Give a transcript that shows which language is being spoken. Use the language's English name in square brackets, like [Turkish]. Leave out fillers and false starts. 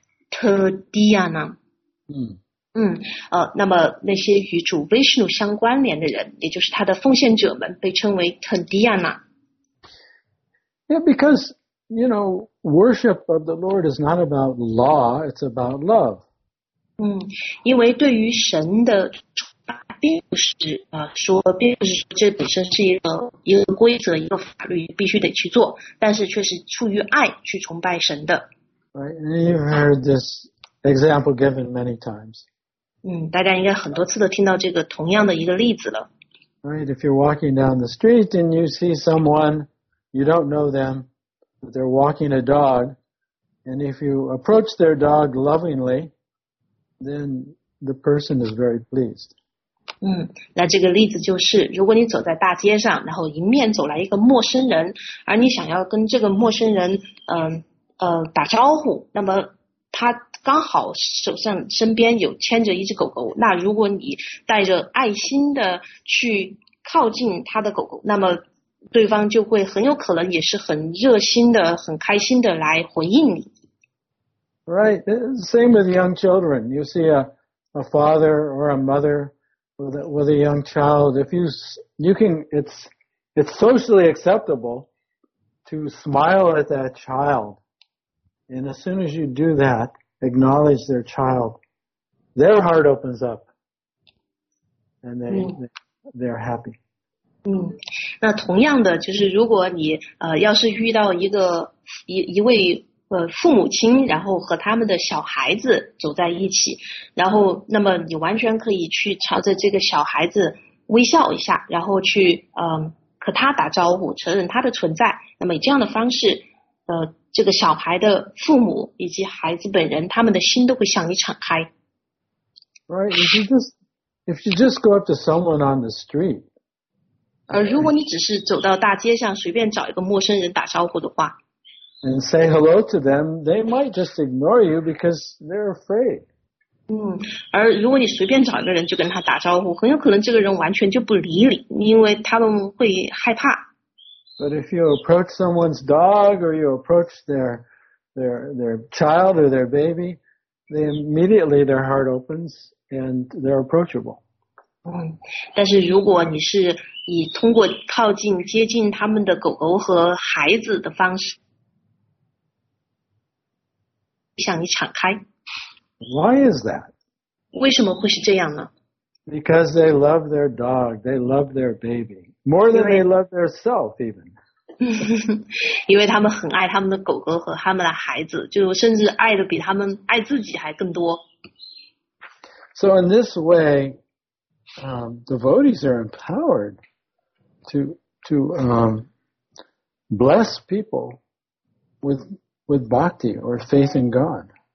[Chinese] Tadiyanam. 那么那些与主 Vishnu 相关联的人，也就是他的奉献者们，被称为 Tadiyana。 [English] Yeah, because, you know, worship of the Lord is not about law, it's about love. [Chinese] 因为对于神的崇拜并不是说，并不是说这本身是一个规则，一个法律必须得去做，但是却是出于爱去崇拜神的。 [English] Right, and you've heard this example given many times. [Chinese] 大家应该很多次都听到这个同样的一个例子了。 [English] Right, if you're walking down the street and you see someone, you don't know them, but they're walking a dog, and if you approach their dog lovingly, then the person is very pleased. [Chinese] 那这个例子就是，如果你走在大街上，然后迎面走来一个陌生人，而你想要跟这个陌生人打招呼，那么他刚好手上身边有牵着一只狗狗，那如果你带着爱心的去靠近他的狗狗，那么对方就会很有可能也是很热心的、很开心的来回应你。 [English] Right, same with young children. You see a father or a mother with a young child. If it's socially acceptable to smile at that child, and as soon as you do that. Acknowledge their child, their heart opens up, and they're happy. [Chinese] 那同样的，就是如果你要是遇到一位父母亲，然后和他们的小孩子走在一起，然后那么你完全可以去朝着这个小孩子微笑一下，然后去和他打招呼，承认他的存在。那么以这样的方式，这个小孩的父母以及孩子本人，他们的心都会向你敞开。 [English] Right, if you just go up to someone on the street. [Chinese] 如果你只是走到大街上，随便找一个陌生人打招呼的话。 [English] And say hello to them, they might just ignore you because they're afraid. [Chinese] 而如果你随便找一个人就跟他打招呼，很有可能这个人完全就不理你，因为他们会害怕。 [English] But if you approach someone's dog or you approach their their child or their baby, they immediately their heart opens and they're approachable. [Chinese] 但是如果你是以通过靠近接近他们的狗狗和孩子的方式向你敞开。 [English] Why is that? [Chinese] 为什么会是这样呢？ [English] Because they love their dog, they love their baby. More than they love their self, even. [Chinese] 因为他们很爱他们的狗狗和他们的孩子，就甚至爱的比他们爱自己还更多。 [English] So in this way,devotees are empowered to bless people with bhakti or faith in God.